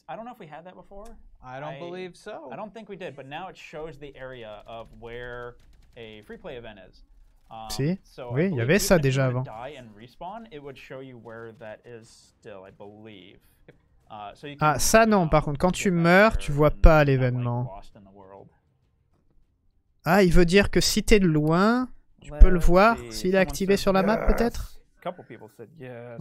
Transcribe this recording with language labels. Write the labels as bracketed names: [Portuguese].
[English] I don't know if we had that before. I don't believe so. I don't think we did, but now it shows the area of where a free play event is. [French] Si, oui, il y avait ça déjà avant. [English] Die and respawn, it would show you where that is still, I believe. [French] Ah, ça non, par contre, quand tu meurs, tu vois pas l'événement. Ah, il veut dire que si t'es de loin, tu peux le voir, s'il est activé sur la map, peut-être ?